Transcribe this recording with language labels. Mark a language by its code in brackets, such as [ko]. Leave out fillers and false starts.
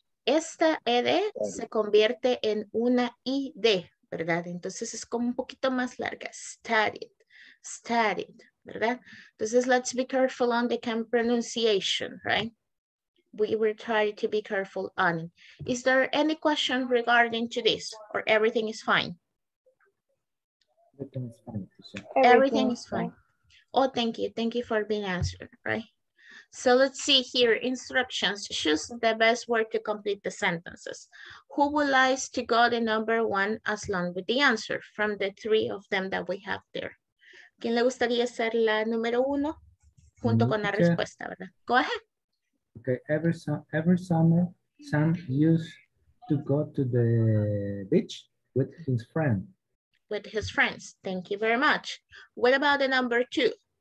[es] Esta ed se convierte en una id, ¿verdad? Entonces es como un poquito más larga. Studied. Studied. ¿Verdad? [en] Entonces, let's be careful on the pronunciation, right? We will try to be careful on it. Is there any question regarding to this, or everything is fine? Everything is fine. Oh, thank you. Thank you for being answered, right? So let's see here, instructions. Choose the best word to complete the sentences. Who would like to go the number one as long with the answer from the three of them that we have there? [es] ¿Quién le gustaría ser la número uno junto con la respuesta, verdad? [en] Go ahead. Okay, every summer, Sam used to go to the beach with his friend. With his friends. Thank you very much. What about the number two?